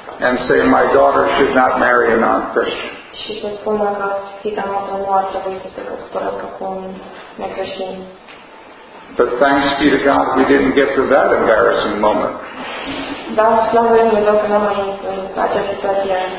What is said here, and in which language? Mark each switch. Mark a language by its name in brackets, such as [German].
[English] And say, "My daughter should not marry a non-Christian." [Romanian] Și să spună că fiica noastră nu ar trebui să se căsătorească cu un necreștin. [English] But thanks be to God, we didn't get through that embarrassing moment. [Romanian] Da, slavă Lui Dumnezeu că n-am ajuns în acea situație.